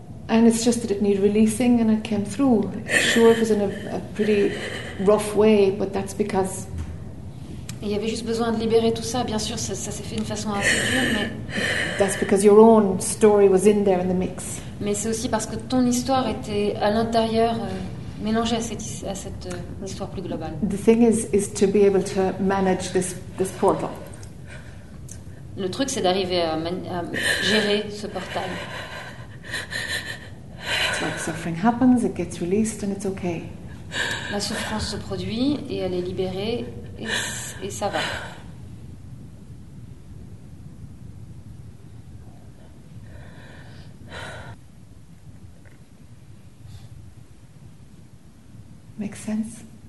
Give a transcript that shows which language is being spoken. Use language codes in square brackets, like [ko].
[en] And it's just that it needed releasing and it came through. Sure, it was in a pretty rough way, but that's because... [fr] Il y avait juste besoin de libérer tout ça. Bien sûr, ça s'est fait d'une façon assez dure, mais... [en] That's because your own story was in there in the mix. [fr] Mais c'est aussi parce que ton histoire était à l'intérieur, mélangée à cette histoire plus globale. [en] The thing is to be able to manage this portal. [fr] Le truc, c'est d'arriver à gérer ce portail. [en] It's like suffering happens, it gets released, and it's okay. [fr] La souffrance se produit, et elle est libérée, et ça va. [en] Makes sense?